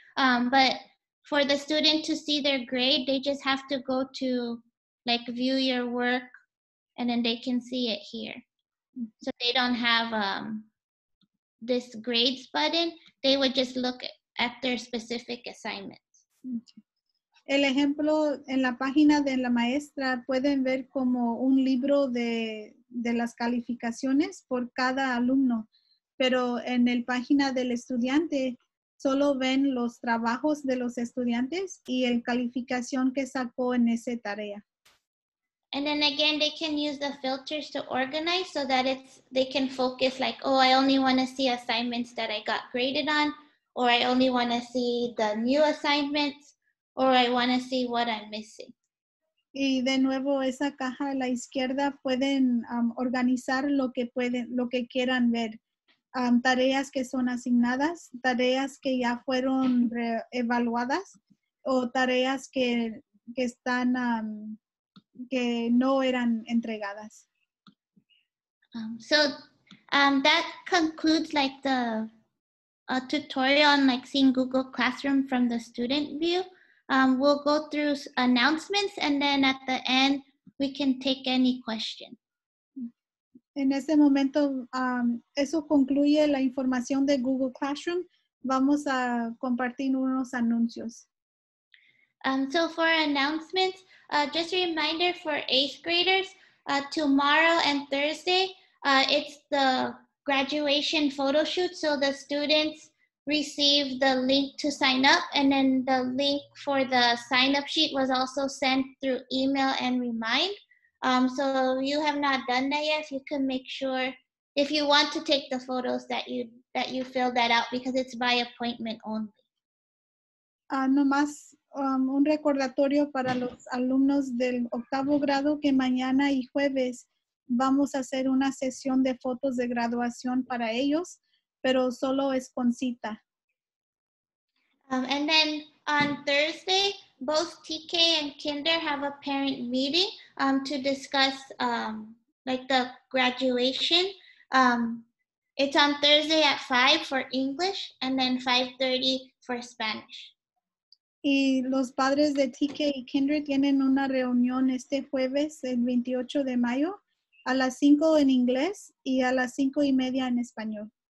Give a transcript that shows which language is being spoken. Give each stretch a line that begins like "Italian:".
English: But for the student to see their grade, they just have to go to like view your work and then they can see it here. So they don't have this grades button. They would just look at their specific assignments.
Spanish: El ejemplo en la página de la maestra pueden ver como un libro de las calificaciones por cada alumno, pero en el página del estudiante solo ven los trabajos de los estudiantes y el calificación que sacó en esa tarea.
English: And then again, they can use the filters to organize so that they can focus like, oh, I only want to see assignments that I got graded on, or I only want to see the new assignments. Or I want to see what I'm missing.
Spanish: Y de nuevo, esa caja a la izquierda pueden organizar lo que quieran ver. Tareas que son asignadas, tareas que ya fueron evaluadas, o tareas que están, que no eran entregadas.
English: That concludes like a tutorial on like seeing Google Classroom from the student view. We'll go through announcements and then at the end we can take any question.
Spanish: En este momento, eso concluye la información de Google Classroom. Vamos a compartir unos anuncios.
English: So for announcements, just a reminder for eighth graders, tomorrow and Thursday, it's the graduation photo shoot. So the students receive the link to sign up, and then the link for the sign up sheet was also sent through email and remind. So you have not done that yet, you can make sure if you want to take the photos that you fill that out, because it's by appointment only.
Spanish: Nomás un recordatorio para los alumnos del octavo grado que mañana y jueves vamos a hacer una sesión de fotos de graduación para ellos, pero solo es con cita.
English: And then on Thursday, both TK and Kinder have a parent meeting to discuss like the graduation. It's on Thursday at 5 for English and then 5:30 for Spanish.
Spanish: Y los padres de TK y Kinder tienen una reunión este jueves, el 28 de mayo, a las 5 en inglés y a las 5:30 en español.